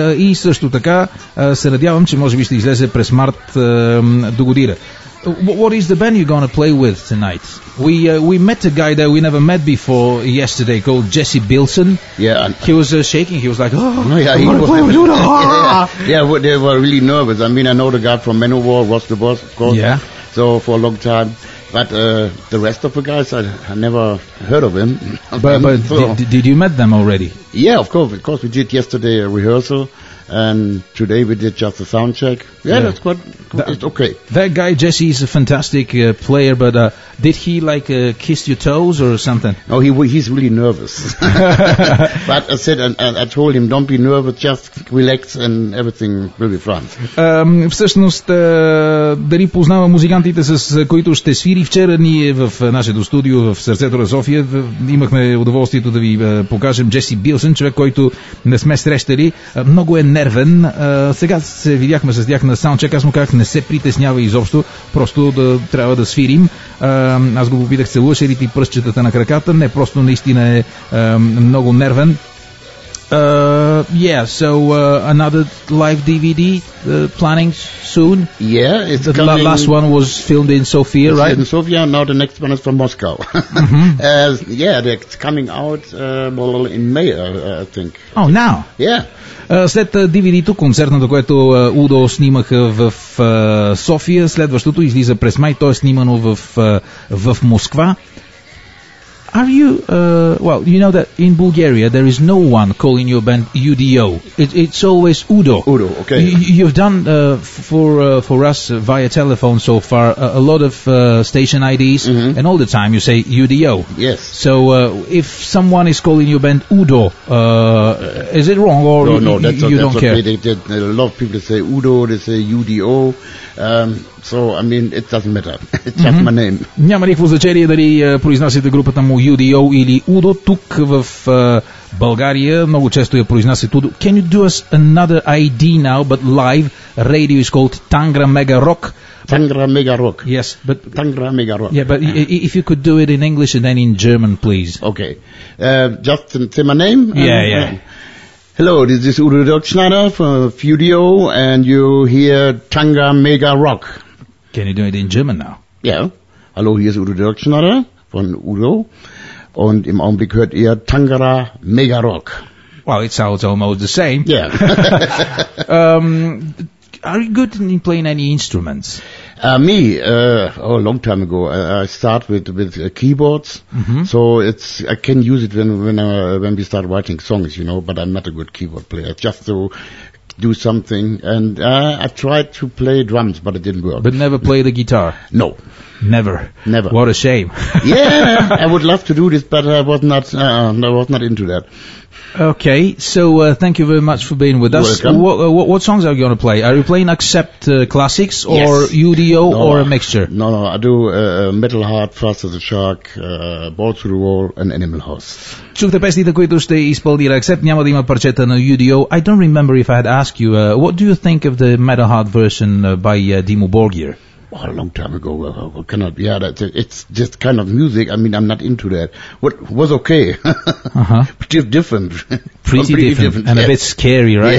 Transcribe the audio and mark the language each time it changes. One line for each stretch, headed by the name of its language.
Bulgarian: И също така се надявам, че може би ще излезе през март до година.
English: What is the band you're going to play with tonight? We met a guy that we never met before yesterday called Jesse Bilson. Yeah. He was shaking. He was like, oh, no, yeah, I'm going to play with Udo. Yeah, they were really nervous. I mean, I know the guy from Manowar, was the boss, of course. Yeah. So for a long time. But the rest of the guys, I never heard of him. Did you met them already? Yeah, of course. Of course, we did yesterday a rehearsal. And today we did just a sound check. Yeah, that's quite it's okay. That guy Jesse is a fantastic player, but did he like kiss your toes or something? No, he's really nervous. But I said and I told him, don't be nervous, just relax and everything will be fine.
Bulgarian: Всъщност, дали познава музикантите, с които ще свири вчера, ние в нашето студио в сърцето на София имахме удоволствието да ви покажем Джеси Билсън, човек, който не сме срещали. Много е нервен. Сега се видяхме с тях на саундчек, аз му казах, не се притеснява изобщо, просто да трябва да свирим. Аз го попитах, целуваше ли ти пръстчетата на краката? Не, просто наистина е много нервен.
English: Yeah, so another live DVD planning soon? Yeah, it's the coming. The last one was filmed in Sofia, right? In Sofia, now the next one is from Moscow. Mm-hmm. Yeah, it's coming out in May, I think. Oh, now? Yeah.
Bulgarian: След DVD-то, концертното, което Удо снимаха в София, следващото излиза през май, то е снимано в Москва.
English: Are you, well, you know that in Bulgaria there is no one calling your band UDO. It's always Udo. Udo, okay. You've done for us via telephone so far a lot of station IDs, mm-hmm. and all the time you say UDO. Yes. So if someone is calling your band Udo, is it wrong or no, that's okay. Don't care? They, a lot of people say Udo, they say UDO. So, I mean, it doesn't matter. It's just my name.
Bulgarian: Няма никакво значение дали произнасяте групата му UDO или Udo. Тук в България много често я произнасят Udo.
English: Can you do us another ID now, but live? Radio is called Tangra Mega Rock. Tangra Mega Rock. Yes, but Tangra Mega Rock. Yeah, but if you could do it in English and then in German, please. Okay. Just say my name. Yeah, yeah. Hello, this is Udo Dirkschneider from Fudio, and you hear Tanga Mega Rock. Can you do it in German now? Yeah.
German: Hallo, hier ist Udo Dirkschneider von Udo, und im Augenblick hört ihr Tangara Mega Rock.
English: Well, it sounds almost the same. Yeah. Are you good in playing any instruments? A long time ago, I start with keyboards, mm-hmm. so it's, I can use it when we start writing songs, you know, but I'm not a good keyboard player, just to do something, and I tried to play drums, but it didn't work. But never play the guitar? No. Never? Never. What a shame. Yeah, I would love to do this, but I was not into that. Okay, so thank you very much for being with us. What songs are you going to play? Are you playing Accept classics or yes. UDO no, or a mixture? No, no, I do Metal Heart, Fast as a Shark, Ball Through the Wall and Animal House.
Bulgarian: Чух те песните, които ще изпълнира Accept. Няма да има парчета на UDO.
English: I don't remember if I had asked you, what do you think of the Metal Heart version by Dimmu Borgir? Well, a long time ago, it's just kind of music. I mean, I'm not into that. What was okay. Uh-huh. Different. Pretty different. And yes. A bit scary, right?